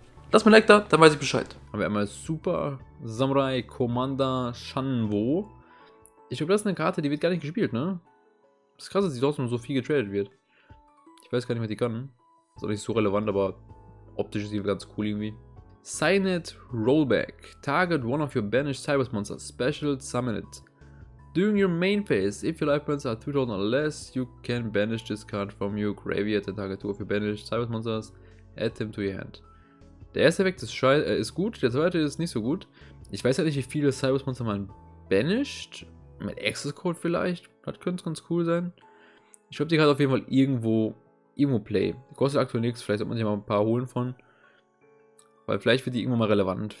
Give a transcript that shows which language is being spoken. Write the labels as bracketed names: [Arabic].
[German] Lass mir ein Like da, dann weiß ich Bescheid. Haben wir einmal Super Samurai Commander Shanwo. Ich glaube, das ist eine Karte, die wird gar nicht gespielt, ne? Das ist krass, dass sie trotzdem so viel getradet wird. Ich weiß gar nicht, was die kann. Ist auch nicht so relevant, aber optisch ist sie ganz cool irgendwie. [English] Signet Rollback. Target one of your banished Cybers Monsters. Special summon it. During your main phase, if your life points are 2000 or less, you can banish this card from your graveyard and target two of your banished Cybers Monsters. Add them to your hand. [German] Der erste Effekt ist gut, der zweite ist nicht so gut. Ich weiß halt nicht, wie viele Cybers Monster man banished. Mit Access Code vielleicht. Das könnte ganz cool sein. Ich glaube, die Karte auf jeden Fall irgendwo Play. Kostet aktuell nichts. Vielleicht sollte man sich mal ein paar holen von. Weil vielleicht wird die irgendwann mal relevant.